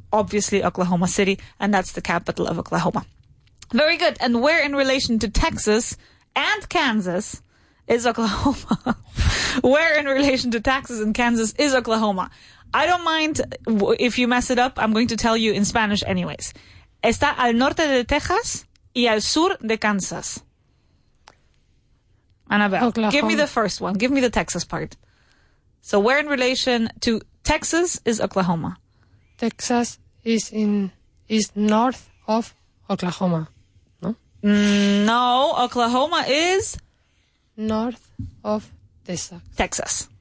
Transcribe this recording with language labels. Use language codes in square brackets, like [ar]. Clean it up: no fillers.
[en] Obviously, Oklahoma City. And that's the capital of Oklahoma. Very good. And where in relation to Texas and Kansas is Oklahoma? Where in relation to Texas and Kansas is Oklahoma? I don't mind if you mess it up. I'm going to tell you in Spanish anyways. [es] Está al norte de Texas y al sur de Kansas. [en] Annabelle, Oklahoma. Give me the first one. Give me the Texas part. So where in relation to Texas is Oklahoma? Texas is north of Oklahoma. No? No, Oklahoma is... north of Texas.